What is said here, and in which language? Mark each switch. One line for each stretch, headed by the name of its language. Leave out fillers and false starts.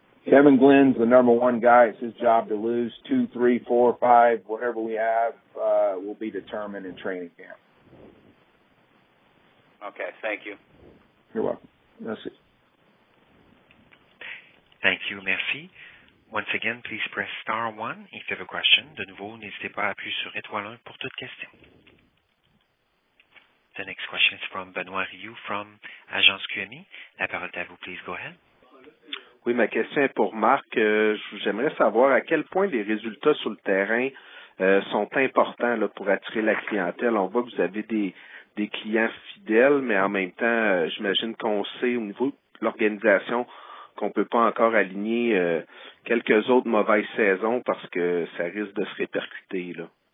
English: Kevin Glenn's the number one guy. It's his job to lose. Two, three, four, five, whatever we have will be determined in training camp. Okay, thank you. You're welcome. That's it. Thank you,
French: merci.
English: Once again, please press star 1 if you have a question.
French: De nouveau, n'hésitez pas à appuyer sur étoile 1 pour toute question.
English: The next question is from Benoît Rioux from Agence QMI.
French: La parole est à vous,
English: please go ahead.
French: Oui, ma question est pour Marc. J'aimerais savoir à quel point les résultats sur le terrain sont importants là, pour attirer la clientèle. On voit que vous avez des clients fidèles, mais en même temps, j'imagine qu'on sait au niveau de l'organisation qu'on peut pas encore aligner quelques autres mauvaises saisons parce que ça risque de se répercuter là.